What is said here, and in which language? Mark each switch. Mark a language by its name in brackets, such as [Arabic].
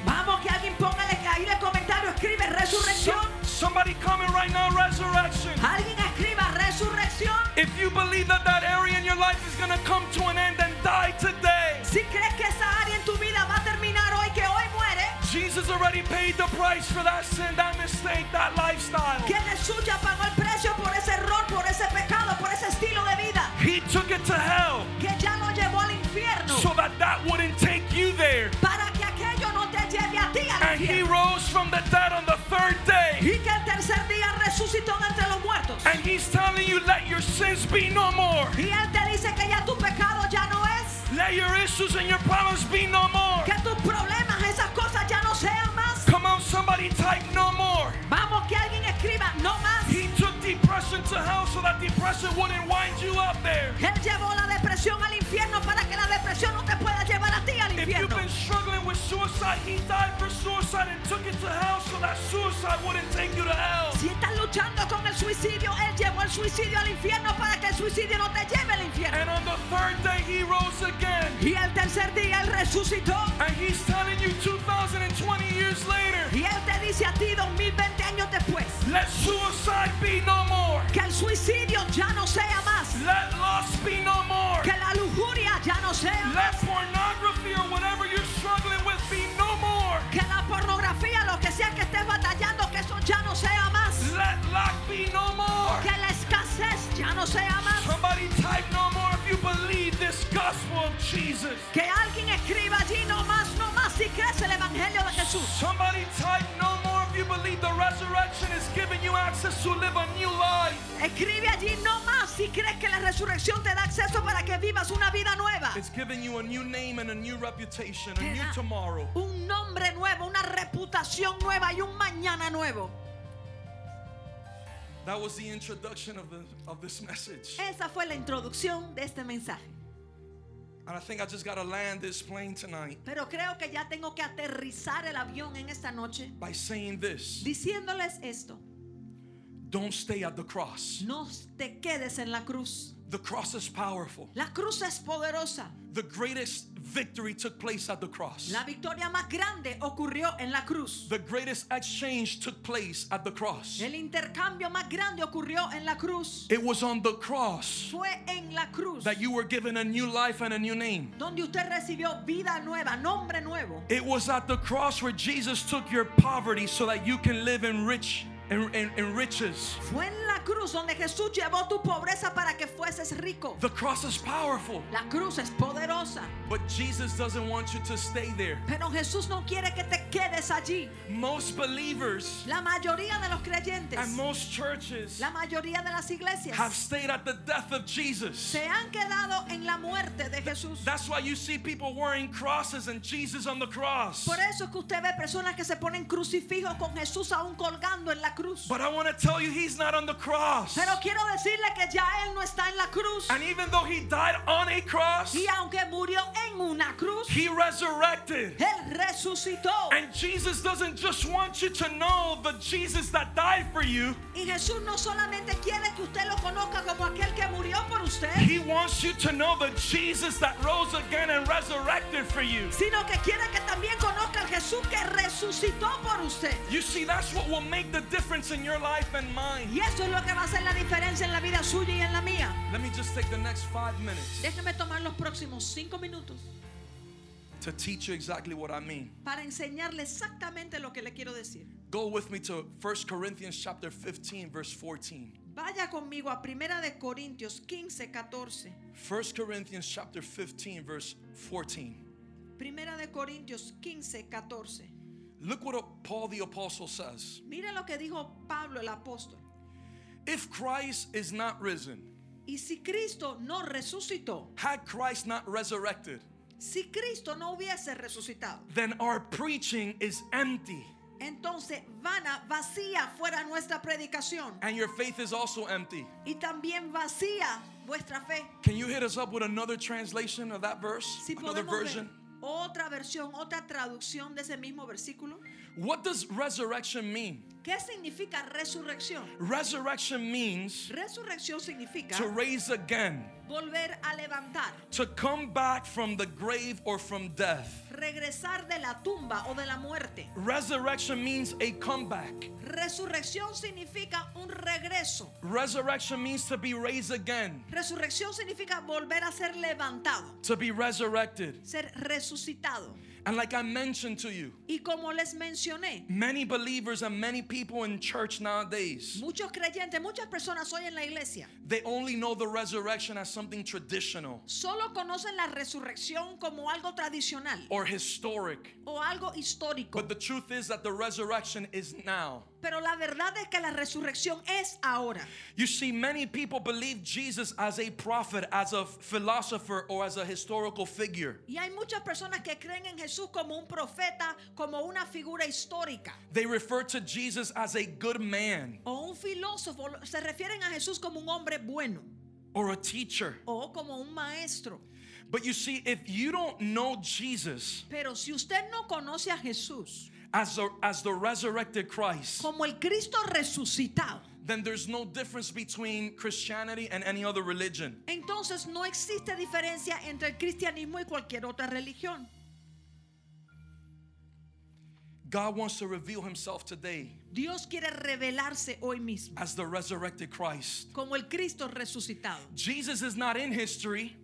[Spanish] Vamos, que alguien póngale ahí el comentario, escribe resurrección. [English] Somebody comment right now resurrection. [Spanish] Alguien escriba resurrección. [English] If you believe that that area in your life is going to come to an end and die today. [Spanish] Si crees que esa área en tu vida va a terminar hoy, que hoy muere. [English] Jesus already paid the price for that sin, that mistake, that lifestyle. [Spanish] Que Jesús ya pagó el precio por ese error, por ese pecado, por ese estilo de vida. [English] He took it to hell. [Spanish] Que ya lo llevó al infierno. [English] So that that wouldn't take you there. [Spanish] Para que aquello no te lleve a ti al infierno. [English] And he rose from the dead on the third day. [Spanish] Y que el tercer día resucitó de entre los muertos. [English] And he's telling you, let your sins be no more. [Spanish] Y él te dice que ya tu pecado ya no es. [English] Let your issues and your problems be no more. [Spanish] Que tus problemas, esas cosas ya no sean más. [English] Come on, somebody type no more. [Spanish] Vamos, que alguien escriba no más. [English] He took depression to hell so that depression wouldn't wind you up there. [Spanish] Él llevó la depresión al infierno para que la depresión no te pueda llevar a ti al infierno. [English] If you've been struggling with suicide, he died for suicide and took it to hell so that suicide wouldn't take you to hell. [Spanish] Si estás luchando con el suicidio, él llevó el suicidio al infierno para que el suicidio no te lleve al infierno. [English] And on the third day he rose again. [Spanish] Y el tercer día él resucitó. [English] And he's telling you 2020 years later. [Spanish] Y él te dice a ti 2020 años después. [English] Let suicide be no more. [Spanish] Que el suicidio ya no sea más. [English] Let lust be no more. [Spanish] Que la lujuria ya no sea más. [English] Let pornography or whatever you're struggling with be no more. [Spanish] Que la pornografía, lo que sea que estés batallando, que eso ya no sea más. [English] Let lack be no more. [Spanish] Que la escasez ya no sea más. [English] Somebody type no more if you believe this gospel of Jesus. [Spanish] Que alguien escriba allí no más, no más, si crees el evangelio de Jesús. [English] Somebody type no more if you believe the resurrection is giving you access to live a new life. [Spanish] Escribe allí no más si crees que la resurrección te da acceso para que vivas una vida nueva. [English] It's giving you a new name and a new reputation, a new tomorrow. [Spanish] Un nombre nuevo, una reputación nueva y un mañana nuevo. [English] That was the introduction of this message. [Spanish] Esa fue la introducción de este mensaje. [English] And I think I just gotta land this plane tonight. [Spanish] Pero creo que ya tengo que aterrizar el avión en esta noche. [English] By saying this. [Spanish] Diciéndoles esto. [English] Don't stay at the cross. [Spanish] No te quedes en la cruz. [English] The cross is powerful. [Spanish] La cruz es poderosa. [English] The greatest victory took place at the cross. [Spanish] La victoria más grande ocurrió en la cruz. [English] The greatest exchange took place at the cross. [Spanish] El intercambio más grande ocurrió en la cruz. [English] It was on the cross. [Spanish] Fue en la cruz. [English] That you were given a new life and a new name. [Spanish] Donde usted recibió vida nueva, nombre nuevo. [English] It was at the cross where Jesus took your poverty so that you can live in rich. In riches. [Spanish] Fue en la cruz donde Jesús llevó tu pobreza para que fueses rico. [English] The cross is powerful. [Spanish] La cruz es poderosa. [English] But Jesus doesn't want you to stay there. [Spanish] Pero Jesús no quiere que te quedes allí. [English] Most believers. [Spanish] La mayoría de los creyentes. [English] And most churches. [Spanish] La mayoría de las iglesias. [English] Have stayed at the death of Jesus. [Spanish] Se han quedado en la muerte de Jesús. [English] That's why you see people wearing crosses and Jesus on the cross. [Spanish] Por eso es que usted ve personas que se ponen crucifijos con Jesús aún colgando en la cruz. [English] But I want to tell you he's not on the cross. [Spanish] Pero quiero decirle que ya él no está en la cruz. [English] And even though he died on a cross, [Spanish] y aunque murió en una cruz, [English] he resurrected. [Spanish] Él resucitó. [English] And Jesus doesn't just want you to know the Jesus that died for you. [Spanish] Y Jesús no solamente quiere que usted lo conozca como aquel que murió por usted. [English] He wants you to know the Jesus that rose again and resurrected for you. [Spanish] Sino que quiere que también conozca el Jesús que resucitó por usted. [English] You see, that's what will make the difference in your life and mine. [Spanish] Y eso es lo que va a hacer la diferencia en la vida suya y en la mía. [English] Let me just take the next 5 minutes. [Spanish] Déjeme tomar los próximos 5 minutos. [English] To teach you exactly what I mean. [Spanish] Para enseñarle exactamente lo que le quiero decir. [English] Go with me to 1 Corinthians chapter 15 verse 14. [Spanish] Vaya conmigo a Primera de Corintios 15:14. [English] 1 Corinthians chapter 15 verse 14. [Spanish] Primera de Corintios 15:14. [English] Look what Paul the apostle says. [Spanish] Mira lo que dijo Pablo el apóstol. [English] If Christ is not risen. [Spanish] Y si Cristo no resucitó. [English] Had Christ not resurrected. [Spanish] Si Cristo no hubiese resucitado. [English] Then our preaching is empty. [Spanish] Entonces vana, vacía fuera nuestra predicación. [English] And your faith is also empty. [Spanish] Y también vacía vuestra fe. [English] Can you hit us up with another translation of that verse? [Spanish] Si [English] another version. [Spanish] Ver. Otra versión, otra traducción de ese mismo versículo. [English] What does resurrection mean? [Spanish] ¿Qué significa resurrección? [English] Resurrection means [Spanish] resurrección significa [English] to raise again. [Spanish] Volver a levantar. [English] To come back from the grave or from death. [Spanish] Regresar de la tumba o de la muerte. [English] Resurrection means a comeback. [Spanish] Resurrección significa un regreso. [English] Resurrection means to be raised again. [Spanish] Resurrección significa volver a ser levantado. [English] To be resurrected. [Spanish] Ser resucitado. [English] And like I mentioned to you, [Spanish] y como les mencioné, [English] many believers and many people in church nowadays, [Spanish] muchos creyentes, muchas personas hoy en la iglesia, [English] they only know the resurrection as something traditional. [Spanish] Solo conocen la resurrección como algo tradicional, [English] or historic. [Spanish] O algo histórico. [English] But the truth is that the resurrection is now. [Spanish] Pero la verdad es que la resurrección es ahora. [English] You see, many people believe Jesus as a prophet, as a philosopher, or as a historical figure. [Spanish] Y hay muchas personas que creen en Jesús como un profeta, como una figura histórica. [English] They refer to Jesus as a good man. [Spanish] O un filósofo, se refieren a Jesús como un hombre bueno. [English] Or a teacher. [Spanish] O como un maestro. [English] But you see, if you don't know Jesus, [Spanish] pero si usted no conoce a Jesús, [English] As the resurrected Christ, [Spanish] como el Cristo resucitado, [English] then there's no difference between Christianity and any other religion. [Spanish] Entonces no existe diferencia entre el cristianismo y cualquier otra religión. [English] God wants to reveal himself today. [Spanish] Dios quiere revelarse hoy mismo. [English] As the resurrected Christ. [Spanish] Como el Cristo resucitado. [English] Jesus is not in history.